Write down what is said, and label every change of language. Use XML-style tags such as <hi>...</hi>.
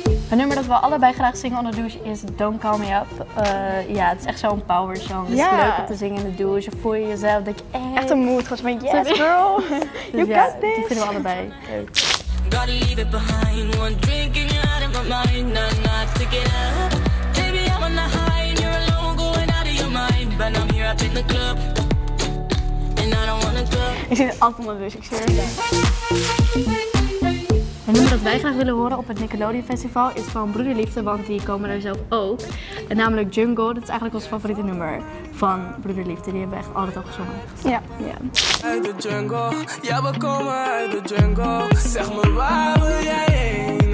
<nl>Een nummer dat we allebei graag zingen onder de douche is Don't Call Me Up. Ja, het is echt zo'n power song. Het is leuk om te zingen in de douche. Voel je jezelf, denk je echt. Echt een mood, gewoon van</nl> <en>yes girl, you got this.</en> <nl>Dat vinden we allebei.</nl> <en>Gotta leave it behind, one drink and you're out of my mind. I'm not to get up, baby I'm on the high and you're alone going out of your mind. But I'm here up in the club, and I don't wanna go.</en> <nl>Ik zit altijd onder de douche, ik zweer het. Een nummer dat wij graag willen horen op het Nickelodeon Festival is van Broederliefde, want die komen daar zelf ook. En namelijk Jungle, dat is eigenlijk ons favoriete nummer van Broederliefde. Die hebben we echt altijd al gezongen. Ja. Ja. Uit de jungle, ja we komen uit de jungle. Zeg me waar wil jij heen?</nl>